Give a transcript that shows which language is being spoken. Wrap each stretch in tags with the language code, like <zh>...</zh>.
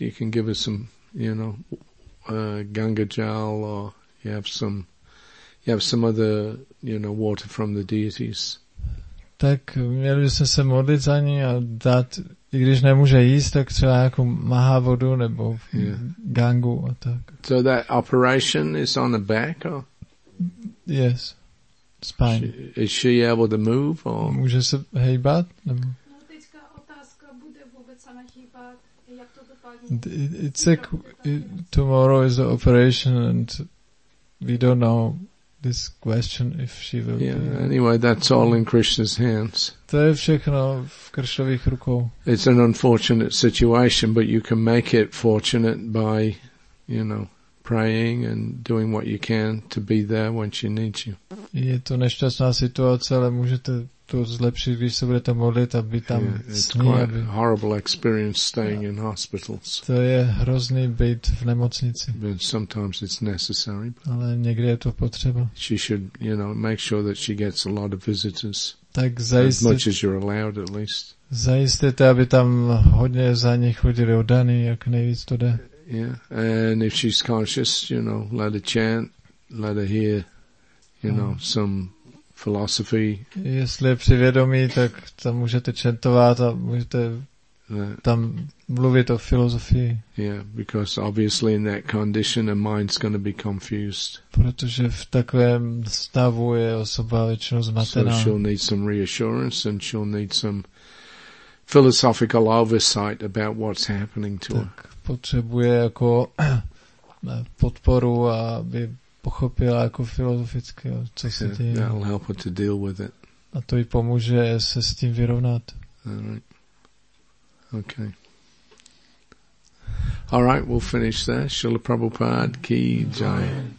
<en>You can give her some, you know, Ganga Jal, or you have some... You have some other, you know, water from the deities.</en> <cs>Tak měli bychom se modlit za ní a dát, i když nemůže jíst, tak třeba jako mahá vodu nebo gangu a tak.</cs> <en>So that operation is on the back, or? Yes, spine. Is she able to move, or?</en> <cs>Může se hejbat, nebo? No, teďka otázka, bude vůbec ona hejbat, jak to dopadne?</cs> <en>Tomorrow is the operation, and we don't know this question if she will be. Anyway, that's all in Krishna's hands.</en> <cs>To je všechno v Kršových rukou.</cs> <en>It's an unfortunate situation, but you can make it fortunate by, you know, praying and doing what you can to be there when she needs you.</en> <cs>Je to nešťastná situace, ale můžete to zlepšit, když se budete modlit, aby tam s ní, aby...</cs> <en>A horrible experience staying in hospitals.</en> <cs>To je hrozný být v nemocnici.</cs> <en>But sometimes it's necessary.</en> <cs>Ale někdy je to potřeba.</cs> <en>She should, you know, make sure that she gets a lot of visitors.</en> <cs>Tak zajistit,</cs> <en>as much as you're allowed, at least.</en> <cs>Zajistěte, aby tam hodně za ní chodili oddaní, jak nejvíc to jde.</cs> <en>Yeah, and if she's conscious, you know, let her chant, let her hear, you know, some philosophy.</en> <cs>Jestli je při vědomí, tak tam můžete čentovat a můžete tam mluvit o filozofii.</cs> <en>Yeah, because obviously in that condition a mind's going to be confused.</en> <cs>Protože v takovém stavu je osoba většinou zmatená.</cs> <en>So she'll need some reassurance and she'll need some philosophical oversight about what's happening to her.</en> <cs>Potřebuje jako podporu, aby pochopila jako filozoficky, co se děje.</cs> <en>That'll help her to deal with it.</en> <cs>A to jí pomůže se s tím vyrovnat.</cs> <en>All right. Okay. All right, we'll finish there. Srila Prabhupada ki jai.</en>